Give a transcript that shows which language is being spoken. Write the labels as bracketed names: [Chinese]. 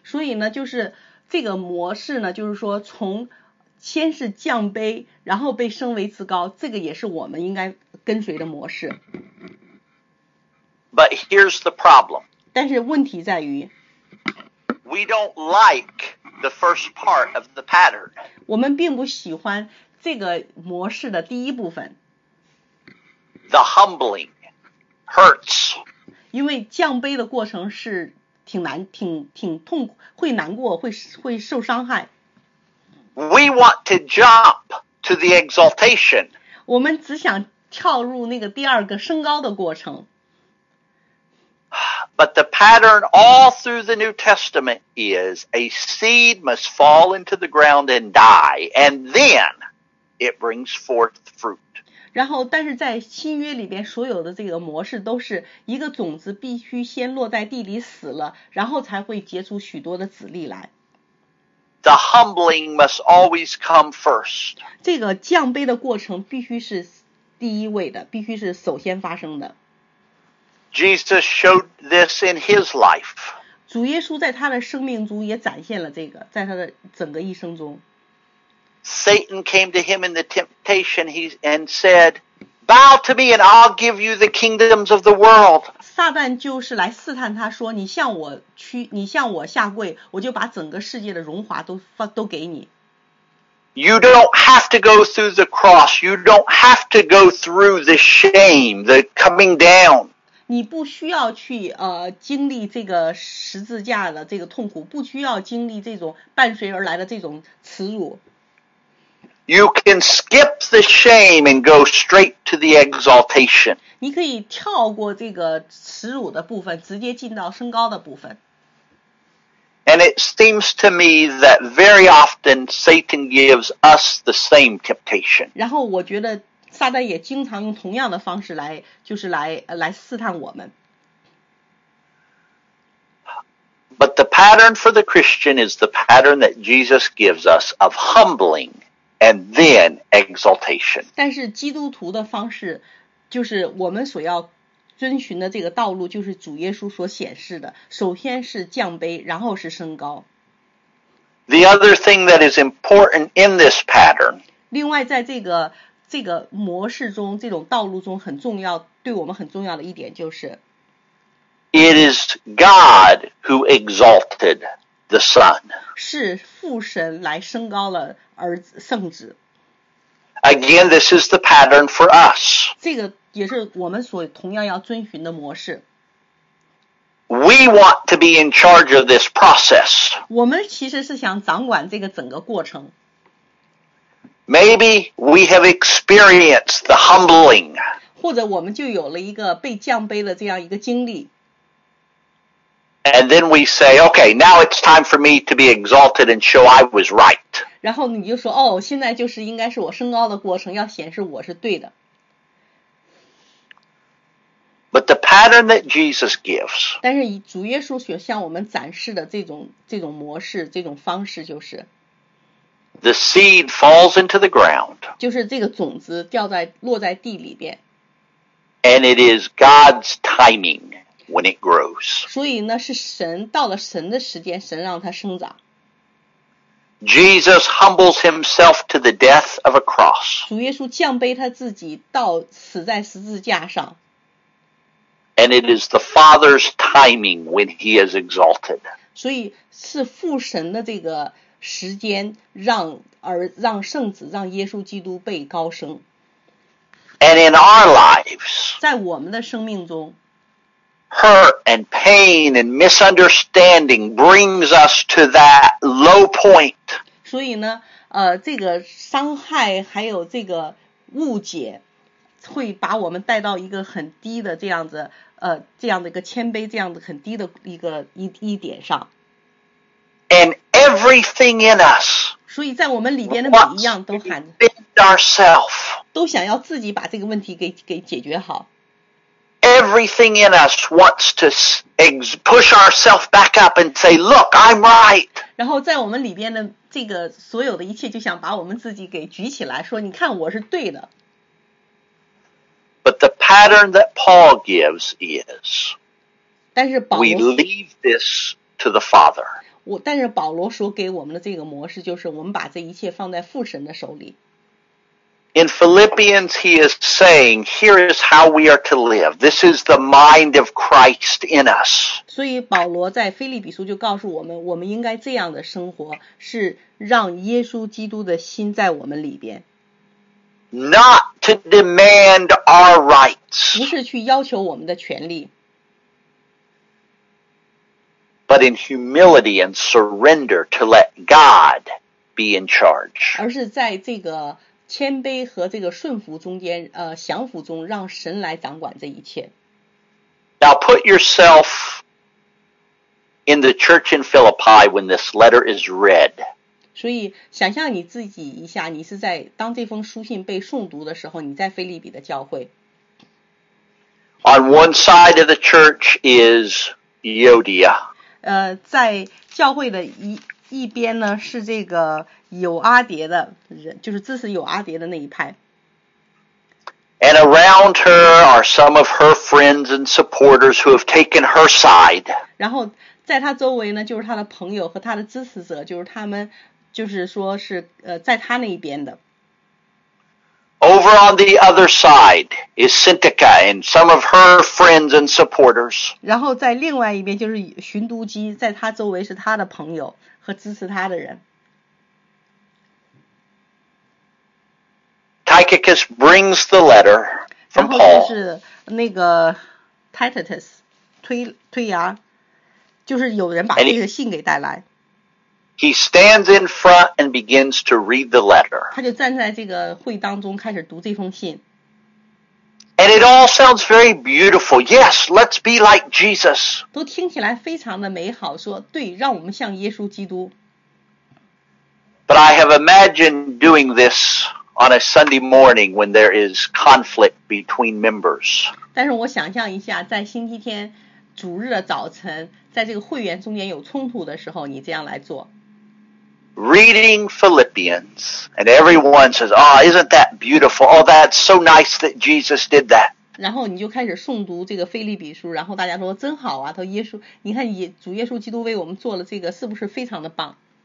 [Chinese] 所以呢，就是这个模式呢，就是说从先是降卑，然后被升为至高，这个也是我们应该跟随的模式。 [English] But here's the problem. [Chinese] 但是问题在于 [English] we don't like the first part of the pattern. [Chinese] 我们并不喜欢这个模式的第一部分。 [English] The humbling hurts. [Chinese] 因为降卑的过程是挺难，挺痛苦，会难过，会受伤害。 [English] We want to jump to the exaltation. [Chinese] 我们只想跳入那个第二个升高的过程。 [English] But the pattern all through the New Testament is a seed must fall into the ground and die, and then it brings forth fruit. [Chinese] 然后但是在新约里边所有的这个模式都是一个种子必须先落在地里死了，然后才会结出许多的籽粒来。 [English] The humbling must always come first. [Chinese] 这个降卑的过程必须是第一位的，必须是首先发生的。 [English] Jesus showed this in his life. [Chinese] 主耶稣在他的生命中也展现了这个，在他的整个一生中。 [English] Satan came to him in the temptation and said, Bow to me and I'll give you the kingdoms of the world. [Chinese] 撒旦就是来试探他说你向我下跪，我就把整个世界的荣华都给你。 [English] You don't have to go through the cross. You don't have to go through the shame, the coming down. [Chinese] 你不需要去经历这个十字架的这个痛苦，不需要经历这种伴随而来的这种耻辱。 [English] You can skip the shame and go straight to the exaltation. [Chinese] 你可以跳过这个耻辱的部分，直接进到升高的部分。 [English] And it seems to me that very often Satan gives us the same temptation. [Chinese] 然后我觉得撒旦也经常用同样的方式来，就是来试探我们。 [English] But the pattern for the Christian is the pattern that Jesus gives us of humbling. And then exaltation. [Chinese] 但是基督徒的方式就是我们所要遵循的这个道路就是主耶稣所显示的，首先是降卑，然后是升高。 [English] The other thing that is important in this pattern. [Chinese] 另外在这个模式中，这种道路中很重要，对我们很重要的一点就是 [English] It is God who exalted the Son. [Chinese] 是父神来升高了而圣子。 [English] Again, this is the pattern for us. [Chinese] 这个也是我们所同样要遵循的模式。 [English] We want to be in charge of this process. [Chinese] 我们其实是想掌管这个整个过程。 [English] Maybe we have experienced the humbling. [Chinese] 或者我们就有了一个被降卑的这样一个经历。 [English] And then we say, okay, now it's time for me to be exalted and show I was right. [Chinese] 然后你就说，哦，现在就是应该是我升高的过程，要显示我是对的。 [English] But the pattern that Jesus gives. [Chinese] 但是主耶稣所向我们展示的这种模式，这种方式就是。 [English] The seed falls into the ground. [Chinese] 就是这个种子落在地里边。 [English] And it is God's timing. When it grows. [Chinese] 所以呢，是神到了神的时间，神让它生长。 [English] Jesus humbles himself to the death of a cross. [Chinese] 主耶稣降卑他自己到死在十字架上。 [English] And it is the Father's timing when he is exalted. [Chinese] 所以是父神的这个时间让圣子让耶稣基督被高升。 [English] And in our lives. [Chinese] 在我们的生命中。 [English] hurt and pain and misunderstanding brings us to that low point. [Chinese] 所以呢，这个伤害还有这个误解，会把我们带到一个很低的这样子，这样的一个谦卑，这样的很低的一个一点上。 [English] And everything in us. [Chinese] 所以在我们里边的每一样都喊 [English] ourselves. [Chinese] 都想要自己把这个问题给解决好。 [English] Everything in us wants to push ourselves back up and say, "Look, I'm right." [Chinese] 然后在我们里边的这个所有的一切，就想把我们自己给举起来，说你看我是对的。 [English] But the pattern that Paul gives is, [Chinese] 但是保罗 [English] we leave this to the Father. [Chinese] 但是保罗所给我们的这个模式就是我们把这一切放在父神的手里。 [English] In Philippians, he is saying, here is how we are to live. This is the mind of Christ in us. [Chinese] 所以保罗在腓立比书就告诉我们，我们应该这样的生活，是让耶稣基督的心在我们里边。 [English] Not to demand our rights. [Chinese] 不是去要求我们的权利。 [English] But in humility and surrender to let God be in charge. [Chinese] 而是在这个谦卑和这个顺服中间，降服中，让神来掌管这一切。 [English] Now put yourself in the church in Philippi when this letter is read. [Chinese] 所以想象你自己一下，你是在当这封书信被诵读的时候，你在腓立比的教会。 [English] On one side of the church is Euodia. [Chinese] 在教会的一边呢是这个有阿蝶的人，就是支持有阿蝶的那一派。 [English] And around her are some of her friends and supporters who have taken her side. [Chinese] 然后在她周围呢，就是她的朋友和她的支持者，就是他们，就是说是在她那一边的。 [English] Over on the other side is Syntyche and some of her friends and supporters. [Chinese] 然后在另外一边就是寻都基，在她周围是她的朋友和支持她的人。 [English] Tychicus brings the letter from Paul. [Chinese] 然后就是那个 Tychicus 推牙，就是有人把这个信给带来。 [English] He stands in front and begins to read the letter. [Chinese] 他就站在这个会当中开始读这封信。 [English] And it all sounds very beautiful. Yes, let's be like Jesus. [Chinese] 都听起来非常的美好，说对，让我们像耶稣基督。 [English] But I have imagined doing this. On a Sunday morning when there is conflict between members. [Chinese] 但是我想象一下，在星期天主日的早晨，在这个会员中间有冲突的时候，你这样来做。 [English] Reading Philippians, and everyone says, "Oh, isn't that beautiful? Oh, that's so nice that Jesus did that." [Chinese] 然后你就开始诵读这个腓立比书，然后大家说真好啊，他耶稣，你看主耶稣基督为我们做了这个，是不是非常的棒？